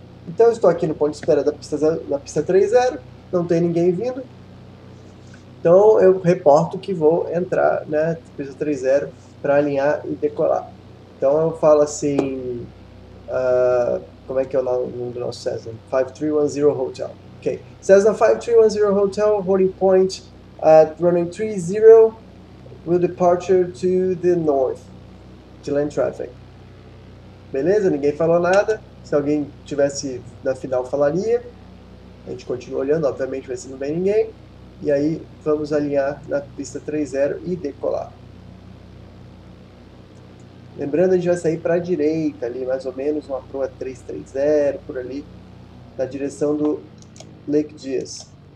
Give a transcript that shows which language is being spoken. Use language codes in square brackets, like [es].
[pt] Então eu estou aqui no ponto de espera da pista 30, não tem ninguém vindo. Então eu reporto que vou entrar na, né, pista 30 para alinhar e decolar. Então eu falo assim, como é que é o nome do nosso Cessna? 5310 Hotel. Ok. [en] Cessna 5310 Hotel, holding point at runway 30, will departure to the north, to land traffic. [pt] Beleza? Ninguém falou nada. Se alguém tivesse na final, falaria. A gente continua olhando, obviamente, vai ver se não vem ninguém. E aí, vamos alinhar na pista 30 e decolar. Lembrando, a gente vai sair para a direita, ali, mais ou menos, uma proa 330, por ali, na direção do Lake Dias.